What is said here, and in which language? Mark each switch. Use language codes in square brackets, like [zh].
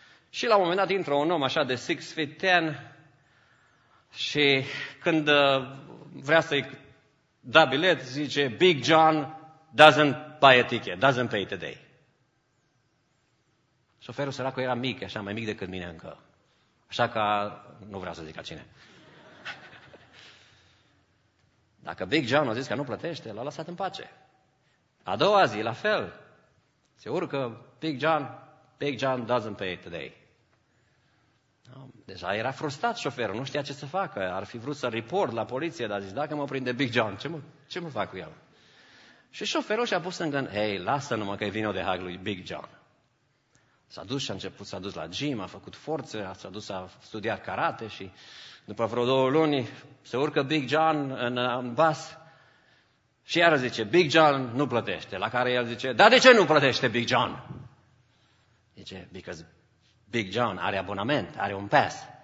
[ro] Și la un moment dat intră un om așa de 6'10" și când vrea să-i da bilet, zice [en] Big John doesn't buy a ticket, doesn't pay today. [ro] Șoferul săracul era mic, așa, mai mic decât mine încă. Așa că nu vreau să zic cine. Dacă Big John a zis că nu plătește, l-a lăsat în pace. A doua zi, la fel. Se urcă, [en] Big John doesn't pay today. [ro] Deja era frustrat șoferul, nu știa ce să facă. Ar fi vrut să report la poliție, dar a zis, dacă mă prinde Big John, ce mă fac cu el? Și șoferul și-a pus în gând, hei, lasă numai că-i vin eu de hag lui Big John. S-a dus la gym, a făcut forță, s-a dus a studiat karate și după vreo două luni se urcă Big John în bus și iară zice, Big John nu plătește. La care el zice, dar de ce nu plătește Big John? Zice, because Big John are abonament, are un pass.